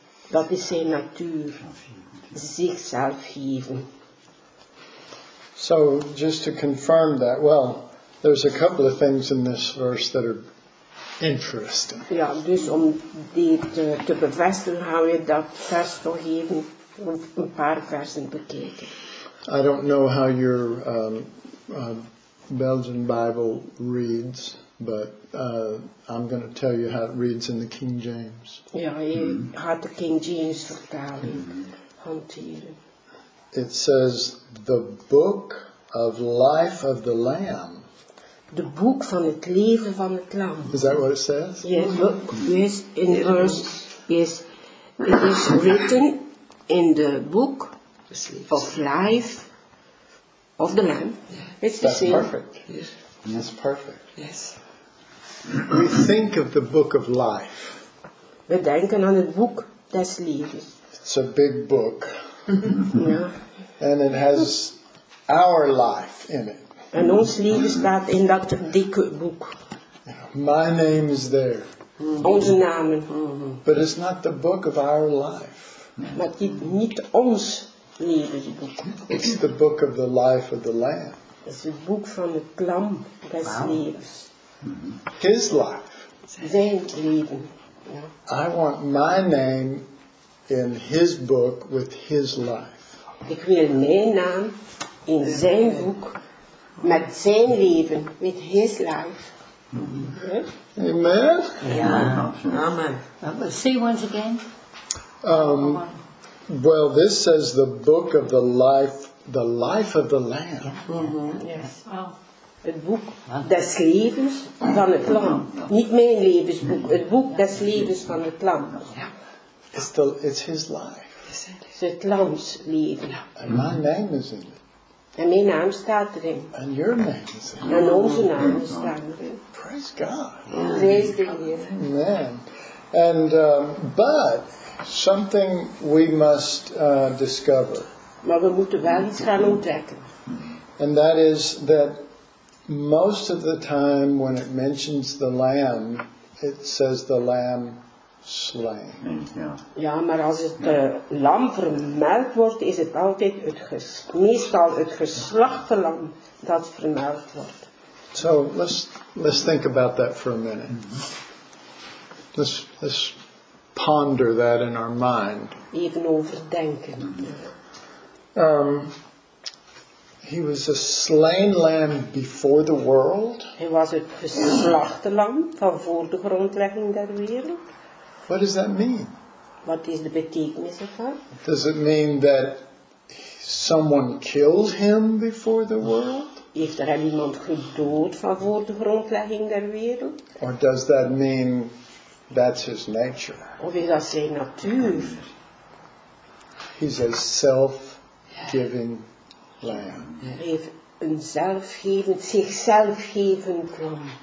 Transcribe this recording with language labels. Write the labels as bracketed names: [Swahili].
[Dutch] Dat is zijn natuur, zichzelf geven. [English] So, just to confirm that, well, there's a couple of things in this verse that are interesting. [Dutch] Ja, dus om dit te bevestigen, gaan we dat vers toch even een paar versen bekijken. [English] I don't know how your Belgian Bible reads, but I'm going to tell you how it reads in the King James. Yeah, he had the King James [Dutch] vertaling hanteren. [English] It says, the book of life of the Lamb. The book [Dutch] van het leven van het lam. [English] Is that what it says? Yes, look, yes, in the verse, yes. It is written in the book of life of the Lamb. It's the same. That's perfect. Yes. That's perfect. Yes. We think of the book of life. [Dutch] We denken aan het boek des levens. [English] It's a big book. [Dutch] Ja. [English] And it has our life in it. [Dutch] En ons leven staat in dat dikke boek. [English] My name is there. [Dutch] Onze namen. [English] But it's not the book of our life. [Dutch] Maar het is niet ons leven. [English] It's the book of the life of the Lamb. [Dutch] Het is het boek van het Lam des levens. [English] His life. [Dutch] Zijn leven. [English] I want my name in his book with his life. [Dutch] Ik wil mijn naam in zijn boek met zijn leven, [English] with his life. Amen. Yeah. Amen. Let's see once again. Well, this says the book of the life of the Lamb. Yes. Oh. [Dutch] Het boek des levens van het Lam. Niet mijn levensboek, het boek des levens van het Lam. [English] It's his life. [Dutch] Het is het Lams leven. [English] And my name is in it. [Dutch] En mijn naam staat erin. [English] And your name is in it. [Dutch] En onze naam staat erin. [English] Praise God. Praise the Lord. Amen. And, but something we must discover. [Dutch] Maar we moeten wel iets gaan ontdekken. [English] And that is that most of the time when it mentions the lamb, it says the lamb slain. [Dutch] Ja, maar als het lam vermeld wordt, is het altijd meestal het geslachte lam dat vermeld wordt. [English] So let's think about that for a minute. Mm-hmm. Let's ponder that in our mind. [Dutch] Even overdenken. [English] He was a slain lamb before the world. He was [Dutch] het geslachte lam van voor de grondlegging der wereld. [English] What does that mean? [Dutch] Wat is de betekenis ervan? [English] Does it mean that someone killed him before the world? [Dutch] Heeft er iemand gedood van voor de grondlegging der wereld? [English] Or does that mean that's his nature? [Dutch] Of is dat zijn natuur? [English] He's a self-giving lamb. [Dutch] Hij heeft een zichzelfgevend lam.